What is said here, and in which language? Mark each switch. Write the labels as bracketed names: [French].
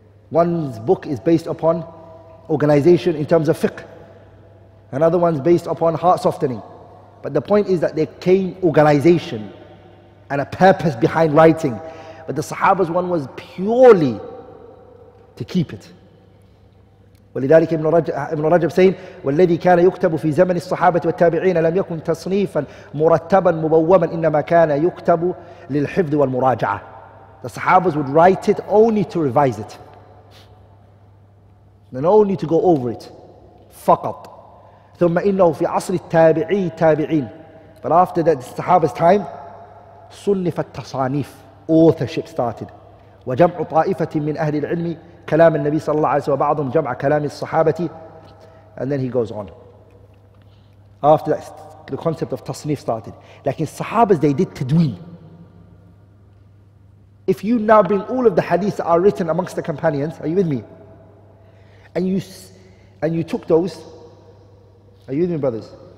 [English] One's book is based upon organization in terms of fiqh. Another one's based upon heart softening. But the point is that there came organization and a purpose behind writing. But the Sahaba's one was purely to keep it. [Arabic] ولذلك ابن رجب [English] saying, [Arabic] والذي كان يكتب في زمن الصحابة والتابعين لم يكن تصنيفا مرتبا مبوما إنما كان يكتب للحفظ والمراجعة. [English] The Sahabas would write it only to revise it. And only to go over it. [Arabic] فقط. ثم إنه في عصر التابعين. [English] But after that, the Sahabas time, [Arabic] صنف التصانيف. [English] Authorship started. [Arabic] وجمع طائفة من أهل العلم كلام النبي صلى الله عليه وسلم وبعضهم جمع كلام الصحابة. [English] And then he goes on. After that, the concept of tasnif started. Like in Sahabas, they did tadween. If you now bring all of the hadiths that are written amongst the companions, are you with me? And you took those, are you with me, brothers?